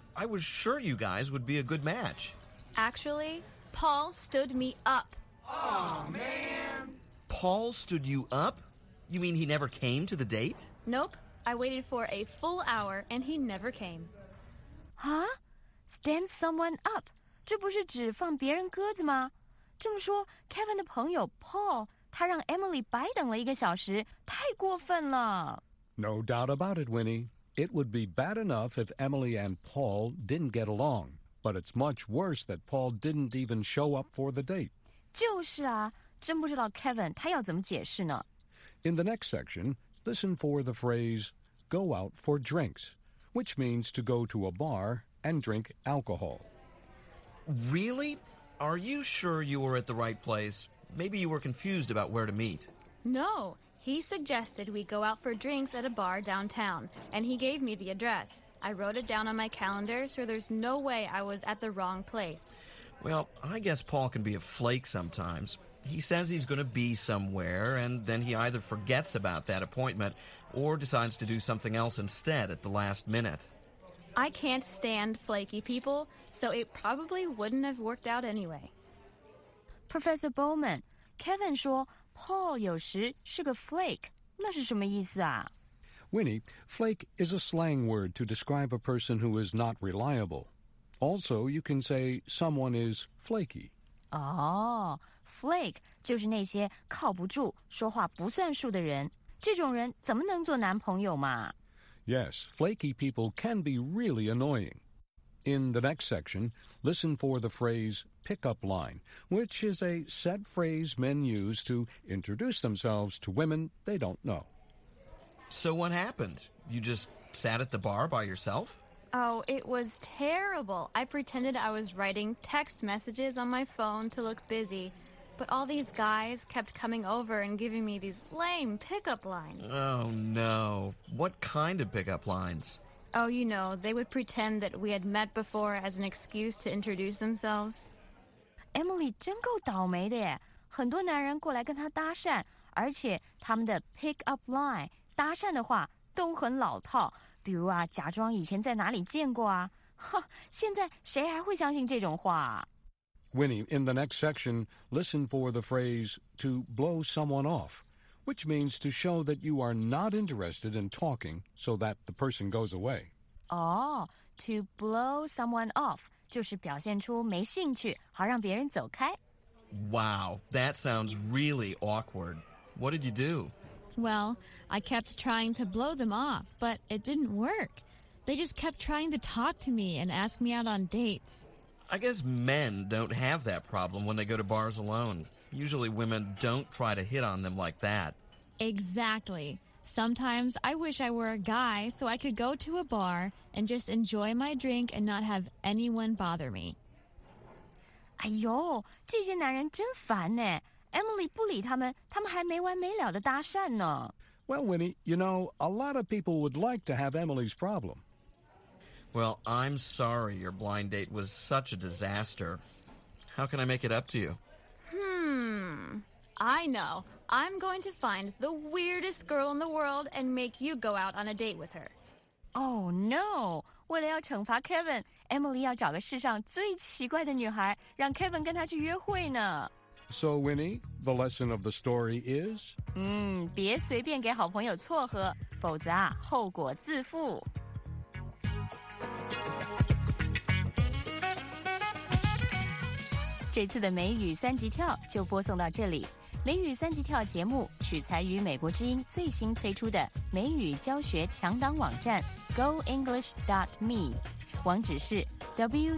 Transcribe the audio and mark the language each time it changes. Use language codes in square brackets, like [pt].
[en] I was sure you guys would be a good match. Actually, Paul stood me up. Aw, man! Paul stood you up? You mean he never came to the date? Nope. I waited for a full hour, and he never came. Huh? Stand someone up? [zh] 这不是指放别人鸽子吗？这么说 ,Kevin 的朋友 Paul, 他让 Emily 白等了一个小时,太过分了。 [en] No doubt about it, Winnie. It would be bad enough if Emily and Paul didn't get along. But it's much worse that Paul didn't even show up for the date. [zh] 就是啊。真不知道 Kevin 他要怎么解释呢 [en] In the next section, listen for the phrase, go out for drinks, which means to go to a bar and drink alcohol. Really? Are you sure you were at the right place? Maybe you were confused about where to meet. No, he suggested we go out for drinks at a bar downtown, and he gave me the address. I wrote it down on my calendar, so there's no way I was at the wrong place. Well, I guess Paul can be a flake sometimes. He says he's going to be somewhere, and then he either forgets about that appointment or decides to do something else instead at the last minute. I can't stand flaky people, so it probably wouldn't have worked out anyway. [zh] Professor Bowman, Kevin 说 Paul 有时是个 flake, 那是什么意思啊? [en] Winnie, flake is a slang word to describe a person who is not reliable. Also, you can say someone is flaky. [zh] Oh,Flake 就是那些靠不住、说话不算数的人。这种人怎么能做男朋友嘛 [en] ？Yes, flaky people can be really annoying. In the next section, listen for the phrase "pickup line," which is a set phrase men use to introduce themselves to women they don't know. So what happened? You just sat at the bar by yourself? Oh, it was terrible. I pretended I was writing text messages on my phone to look busy. But all these guys kept coming over and giving me these lame pickup lines. Oh, no. What kind of pickup lines? Oh, you know, they would pretend that we had met before as an excuse to introduce themselves. [zh] Emily 真够倒霉的耶。很多男人过来跟她搭讪，而且他们的 pickup line, 搭讪的话都很老套。比如啊，假装以前在哪里见过啊。哼，现在谁还会相信这种话啊？ [en] Winnie, in the next section, listen for the phrase to blow someone off, which means to show that you are not interested in talking so that the person goes away. Oh, to blow someone off, [zh] 就是表现出没兴趣好让别人走开。 [en] Wow, that sounds really awkward. What did you do? Well, I kept trying to blow them off, but it didn't work. They just kept trying to talk to me and ask me out on dates. I guess men don't have that problem when they go to bars alone. Usually women don't try to hit on them like that. Exactly. Sometimes I wish I were a guy so I could go to a bar and just enjoy my drink and not have anyone bother me. [zh] 哎呦，这些男人真烦呢。 Emily 不理他们，他们还没完没了地搭讪呢。 [en] Well, Winnie, you know, a lot of people would like to have Emily's problem. Well, I'm sorry your blind date was such a disaster. How can I make it up to you? I know. I'm going to find the weirdest girl in the world and make you go out on a date with her. Oh, no. [zh] 为了要惩罚 Kevin, Emily 要找个世上最奇怪的女孩让 Kevin 跟她去约会呢。 [en] So, Winnie, the lesson of the story is? [zh] 别随便给好朋友撮合,否则啊,后果自负。这次的美语三级跳就播送到这里。美语三级跳节目取材于美国之音最新推出的美语教学强档网站 goenglish.me, 网址是 www